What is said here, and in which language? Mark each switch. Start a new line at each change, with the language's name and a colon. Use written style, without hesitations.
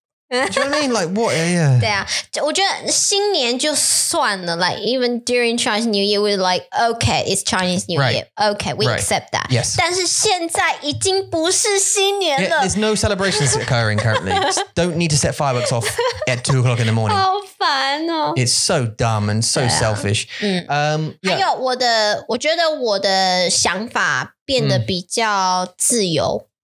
English: do you know what I mean? Like what? Yeah.
Chinese: 对啊, 我觉得新年就算了,
English: like even during Chinese New Year, we're like, okay, it's Chinese New Year. Okay, we accept that. Yes.
Chinese: 但是现在已经不是新年了。
English: There's no celebrations occurring currently. Don't need to set fireworks off at 2 o'clock in the morning.
Chinese: 好烦哦。
English: It's so dumb and so selfish.
Chinese: 还有我觉得我的想法变得比较自由。